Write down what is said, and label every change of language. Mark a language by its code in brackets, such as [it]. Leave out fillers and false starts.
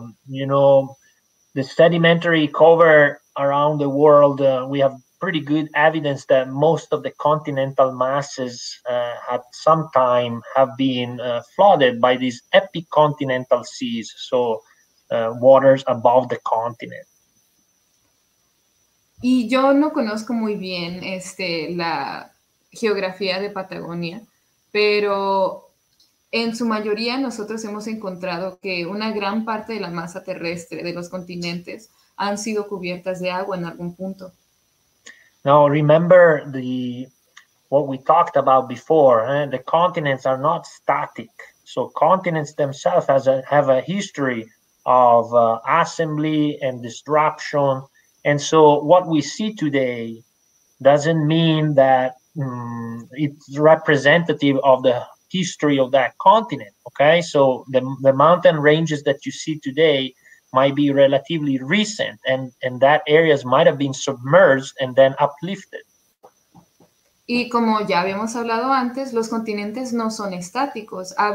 [en] you know, the sedimentary cover around the world, we have pretty good evidence that most of the continental masses at some time have been flooded by these epicontinental seas, so waters above the continent. [es] Y yo no conozco muy bien la geografía de Patagonia, pero en su mayoría nosotros hemos encontrado que una gran parte de la masa terrestre de los continentes han sido cubiertas de agua en algún punto. [en] Now remember what we talked about before, the continents are not static. So continents themselves have a history of assembly and disruption. And so what we see today doesn't mean that it's representative of the history of that continent, okay? So the mountain ranges that you see today might be relatively recent, and that areas might have been submerged and then uplifted. [es] Y como ya habíamos hablado antes, los continentes no son estáticos.